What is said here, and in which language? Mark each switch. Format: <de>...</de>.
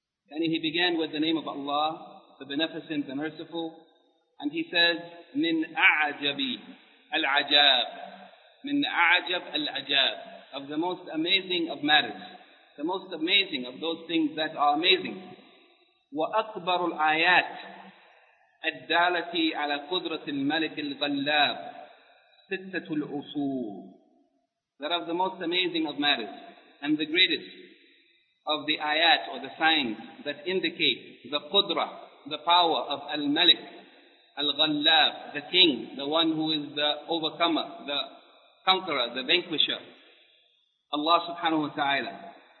<en>He began with the name of Allah, the Beneficent, the Merciful, and he says,</en> <ar>من أعجب العجاب, من أعجب العجاب,</ar> <en>of the most amazing of matters, the most amazing of those things that are amazing.</en> <ar>وأكبر الآيات الدالة على قدرة الملك الغلاب ستة الأصول.</ar> <en>That of the most amazing of matters and the greatest of the ayat or the signs that indicate the qudra, the power of al-malik, al-ghallab, the king, the one who is the overcomer, the conqueror, the vanquisher, Allah subhanahu wa ta'ala.</en>